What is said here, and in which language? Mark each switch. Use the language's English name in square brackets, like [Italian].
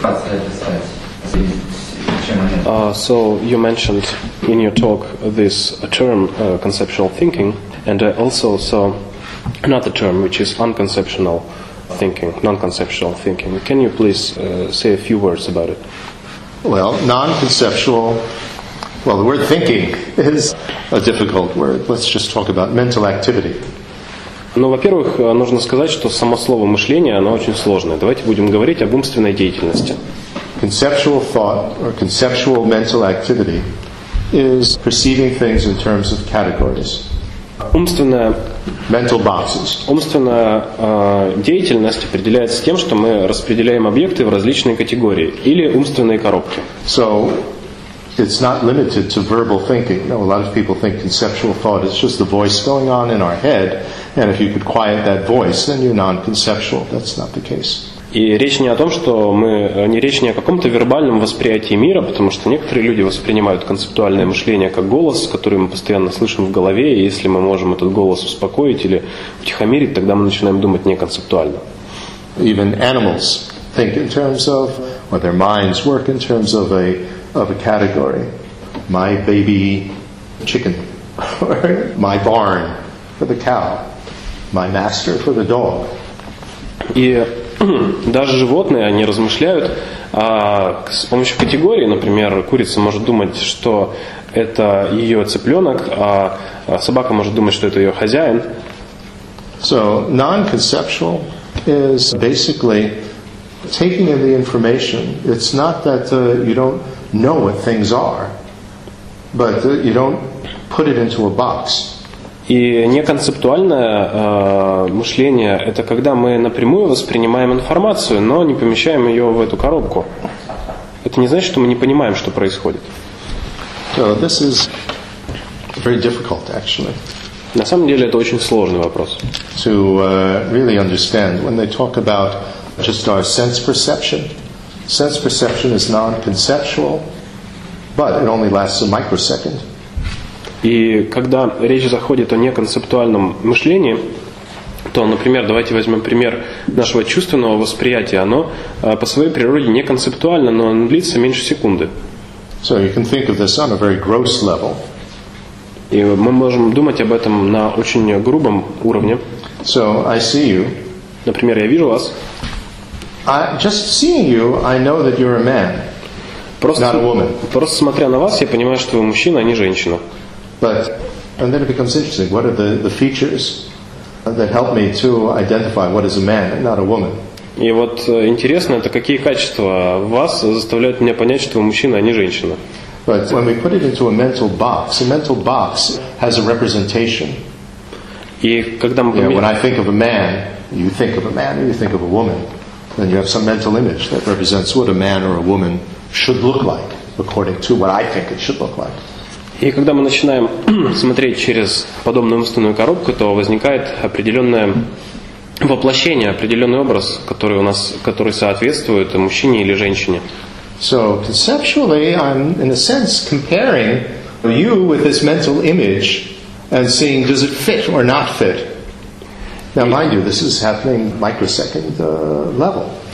[Russian] Как это описать? Чем это? [English] So you mentioned in your talk this term conceptual thinking, and also saw another term which is unconceptional thinking, non-conceptual thinking. Can you please say a few words about it? Well, non-conceptual, well, the word thinking is a difficult word. Let's just talk about mental activity. [Russian] Ну, во-первых, нужно сказать, что само слово мышление, оно очень сложное. Давайте будем говорить об умственной деятельности. [English] Conceptual thought or conceptual mental activity is perceiving things in terms of categories. [Russian] Умственная [English] mental boxes. [Russian] Умственная деятельность определяется тем, что мы распределяем объекты в различные категории или умственные коробки. [English] So it's not limited to verbal thinking. No, a lot of people think conceptual thought is just the voice going on in our head, and if you could quiet that voice, then you're non-conceptual. That's not the case. [Russian] И речь не о том, что мы не речь не о каком-то вербальном восприятии мира, потому что некоторые люди воспринимают концептуальное мышление как голос, который мы постоянно слышим в голове, и если мы можем этот голос успокоить или утихомирить, тогда мы начинаем думать неконцептуально. [English] Even animals think in terms of, or their minds work in terms of a category. My baby chicken, my barn for the cow, my master for the dog. [Russian] И даже животные, они размышляют с помощью категории. Например, курица может думать, что это ее цыпленок, а собака может думать, что это ее хозяин. [English] So, non-conceptual is basically taking in the information. It's not that you don't know what things are, but you don't put it into a box. [Russian] И неконцептуальное мышление – это когда мы напрямую воспринимаем информацию, но не помещаем ее в эту коробку. Это не значит, что мы не понимаем, что происходит. [English] So this is very difficult, actually. [Russian] На самом деле это очень сложный вопрос. [English] To really understand, when they talk about just our sense perception is non-conceptual, but it only lasts a microsecond. [Russian] И когда речь заходит о неконцептуальном мышлении, то, например, давайте возьмем пример нашего чувственного восприятия. Оно по своей природе неконцептуально, но оно длится меньше секунды. [English] So you can think of this on a very gross level. [Russian] И мы можем думать об этом на очень грубом уровне. [English] So I see you. [Russian] Например, я вижу вас. [English] Just seeing you, I know that you're a man. [Russian] Просто, [English] not a woman. [Russian] Просто смотря на вас, я понимаю, что вы мужчина, а не женщина. [English] But and then it becomes interesting. What are the features that help me to identify what is a man and not a woman? [Russian] И вот интересно, это какие качества вас заставляют меня понять, что вы мужчина, а не женщина? [English] But when we put it into a mental box has a representation. [Russian] И когда мы [English] when I think of a man, you think of a man, or you think of a woman, then you have some mental image that represents what a man or a woman should look like according to what I think it should look like. [Russian] И когда мы начинаем смотреть через подобную умственную коробку, то возникает определенное воплощение, определенный образ, который у нас, который соответствует мужчине или женщине. [English] So conceptually, I'm in a sense comparing you with this mental image and seeing does it fit or not fit. Now, mind you, this is happening microsecond level.